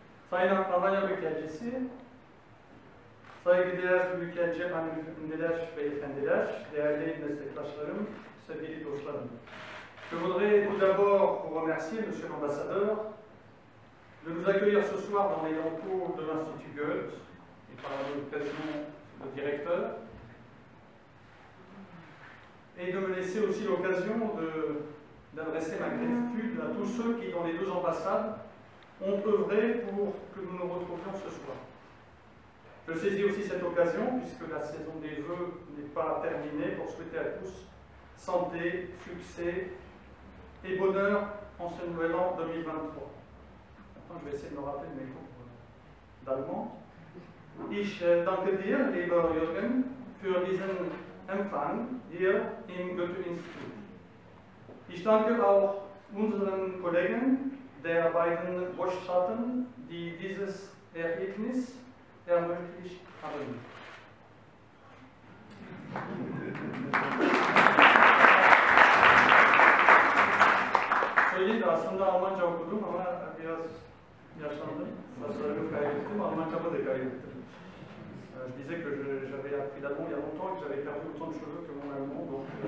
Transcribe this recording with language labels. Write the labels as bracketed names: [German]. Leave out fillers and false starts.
[Turkish] Sayın Avanya Büyükelçisi, saygıdeğer Büyükelçi hanımefendiler, beyefendiler, değerli meslektaşlarım, sevgili dostlarım. [French] Je voudrais tout d'abord vous remercier, Monsieur l'Ambassadeur, de nous accueillir ce soir dans les locaux de l'Institut Goethe et par l'occasion le directeur, et de me laisser aussi l'occasion d'adresser ma gratitude à tous ceux qui, dans les deux ambassades, ont œuvré pour que nous nous retrouvions ce soir. Je saisis aussi cette occasion, puisque la saison des vœux n'est pas terminée, pour souhaiter à tous santé, succès et bonheur en ce nouvel an 2023. Maintenant, je vais essayer de me rappeler mes cours d'allemand. [German] Ich danke dir, lieber Jürgen, für diesen Empfang hier im Goethe-Institut. Ich danke auch unseren Kollegen der beiden Großstädten, die dieses Ereignis ermöglicht haben. [Turkish] Söyleyeyim de aslında Almanca okudum ama biraz yaşlandım. Saçlarımı kaybettim, Almancamı da kaybettim. [French] Dize que j'avais appris l'allemand il y a longtemps, que j'avais perdu autant de cheveux que mon allemand, donc...